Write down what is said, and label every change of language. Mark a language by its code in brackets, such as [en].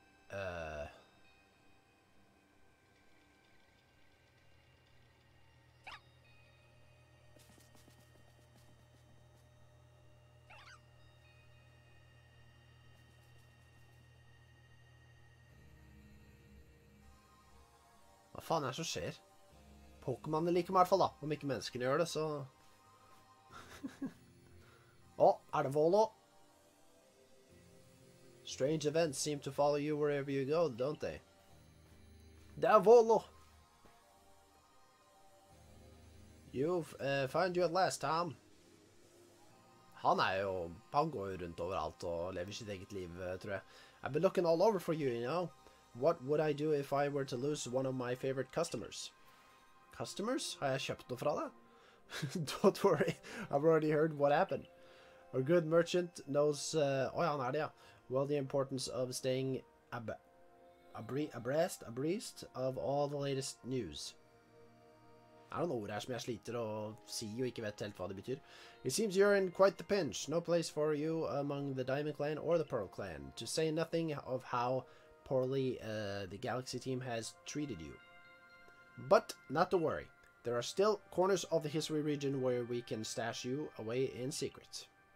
[no] Hva faen er det som skjer? Pokémonene liker meg i hvert fall da. Om ikke menneskene gjør det, så... er det Volo? [en] Strange events seem to follow you wherever you go, don't they? [no] Det er Volo! [en] You've found you at last, Tom. [no] Han er jo... Han går jo rundt overalt og lever sitt eget liv, tror jeg. [en] I've been looking all over for you, you know? What would I do if I were to lose one of my favorite customers? Customers? [no] Har jeg kjøpt noe fra deg? [en] Don't worry, I've already heard what happened. A good merchant knows, [no] han er det, ja. [en] Well, the importance of staying abreast of all the latest news. [no] Er det noe ord her som jeg sliter å si og ikke vet helt hva det betyr? [en] It seems you're in quite the pinch. No place for you among the Diamond Clan or the Pearl Clan. To say nothing of how poorly the Galaxy team has treated you. But not to worry. There are still corners of the history region where we can stash you away in secret.